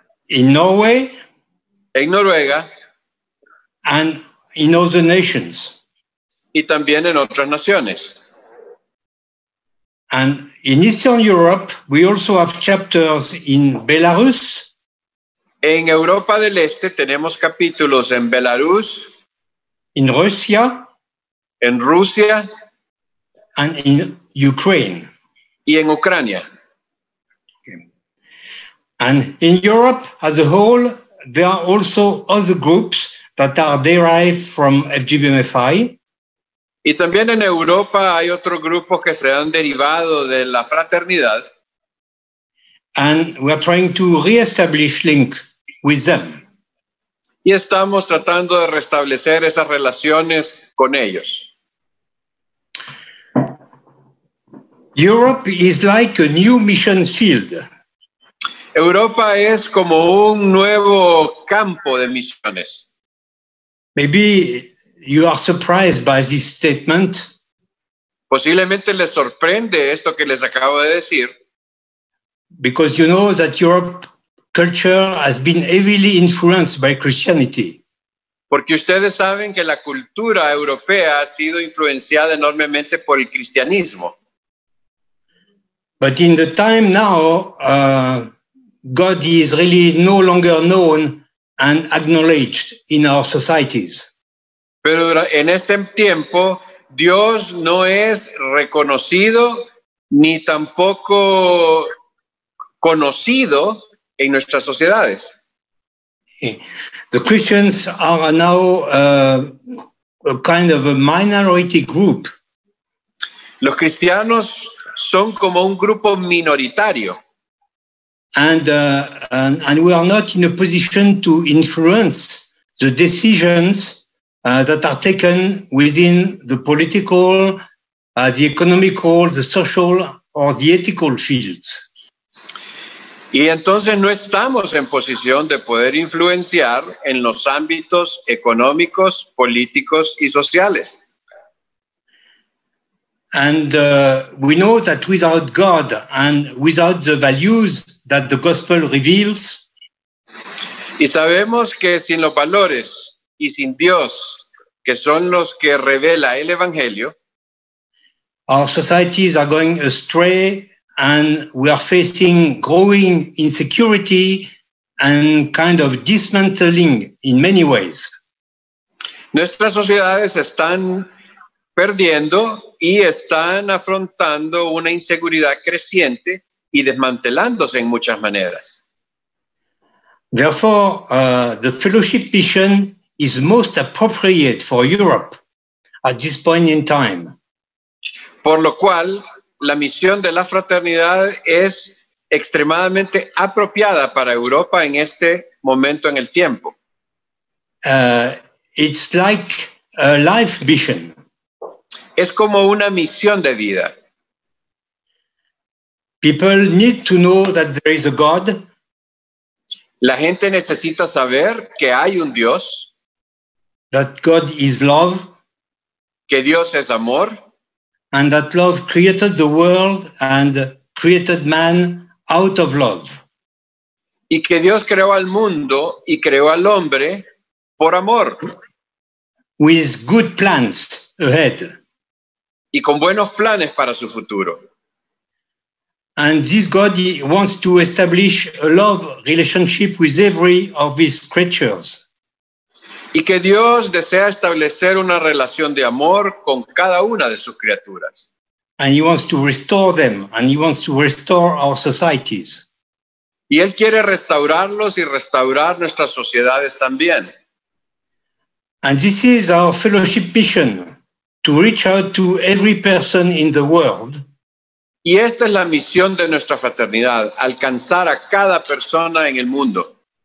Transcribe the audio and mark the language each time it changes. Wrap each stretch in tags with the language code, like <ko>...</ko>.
<en>In Norway.</en> <es>En Noruega.</es> <en>And in other nations.</en> <es>Y también en otras naciones.</es> <en>And in Eastern Europe, we also have chapters in Belarus.</en> <es>En Europa del Este tenemos capítulos en Belarus.</es> <en>In Russia.</en> <es>En Rusia.</es> <en>And in Ukraine.</en> <es>Y en Ucrania.</es> <en>Okay. And in Europe as a whole, there are also other groups that are derived from FGBMFI.</en> <es>Y también en Europa hay otros grupos que se han derivado de la fraternidad.</es> <en>And we are trying to re-establish links with them.</en> <es>Y estamos tratando de restablecer esas relaciones con ellos.</es> <en>Europe is like a new mission field.</en> <es>Europa es como un nuevo campo de misiones.</es> <en>Maybe you are surprised by this statement.</en> <es>Posiblemente les sorprende esto que les acabo de decir.</es> <en>Because you know that Europe culture has been heavily influenced by Christianity.</en> <es>Porque ustedes saben que la cultura europea ha sido influenciada enormemente por el cristianismo.</es> <en>But in the time now, God is really no longer known and acknowledged in our societies.</en> <es>Pero en este tiempo, Dios no es reconocido ni tampoco conocido en nuestras sociedades.</es> <en>The Christians are now a kind of a minority group.</en> <es>Los cristianos son como un grupo minoritario.</es> <en>And we are not in a position to influence the decisions that are taken within the political, the economical, the social, or the ethical fields.</en> <es>Y entonces no estamos en posición de poder influenciar en los ámbitos económicos, políticos, y sociales.</es> <en>And we know that without God and without the values that the gospel reveals.</en> <es>Y sabemos que sin los valores y sin Dios, que son los que revela el Evangelio.</es> <en>Our societies are going astray and we are facing growing insecurity and kind of dismantling in many ways.</en> <es>Nuestras sociedades están perdiendo y están afrontando una inseguridad creciente y desmantelándose en muchas maneras.</es> <en>Therefore, the fellowship mission is most appropriate for Europe at this point in time.</en> <es>Por lo cual, la misión de la fraternidad es extremadamente apropiada para Europa en este momento en el tiempo.</es> <en>It's like a life mission.</en> <es>Es como una misión de vida.</es> <en>People need to know that there is a God.</en> <es>La gente necesita saber que hay un Dios.</es> <en>That God is love.</en> <es>Que Dios es amor.</es> <en>And that love created the world and created man out of love.</en> <es>Y que Dios creó al mundo y creó al hombre por amor.</es> <en>With good plans ahead.</en> <es>Y con buenos planes para su futuro.</es> <en>And this God wants to establish a love relationship with every of his creatures.</en> <es>Y que Dios desea establecer una relación de amor con cada una de sus criaturas.</es> <en>And he wants to restore them, and he wants to restore our societies.</en> <es>Y él quiere restaurarlos y restaurar nuestras sociedades también.</es> <en>And this is our fellowship mission, to reach out to every person in the world.</en> <es>Y esta es la misión de nuestra fraternidad, alcanzar a cada persona en el mundo.</es>